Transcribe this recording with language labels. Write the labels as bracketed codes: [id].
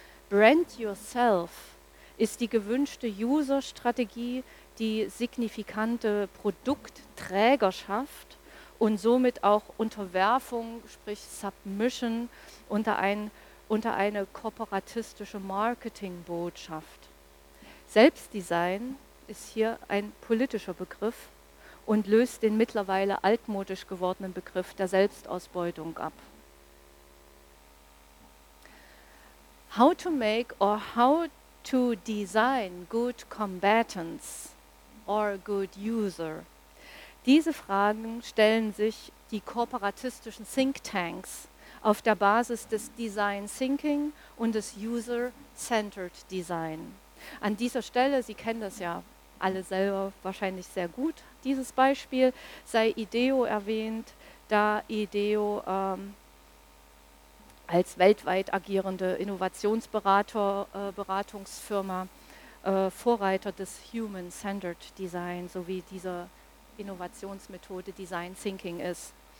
[de] Brand Yourself ist die gewünschte User-Strategie, die signifikante Produktträgerschaft und somit auch Unterwerfung, sprich Submission, unter eine korporatistische Marketingbotschaft. Selbstdesign ist hier ein politischer Begriff und löst den mittlerweile altmodisch gewordenen Begriff der Selbstausbeutung ab. [en] How to make or how to design good combatants or good user? [de] Diese Fragen stellen sich die korporatistischen Thinktanks auf der Basis des Design Thinking und des User-Centered Design. An dieser Stelle, Sie kennen das ja alle selber wahrscheinlich sehr gut, dieses Beispiel, sei IDEO erwähnt, da IDEO als weltweit agierende Innovationsberatungsfirma Vorreiter des Human-Centered Design sowie dieser Innovationsmethode Design Thinking ist.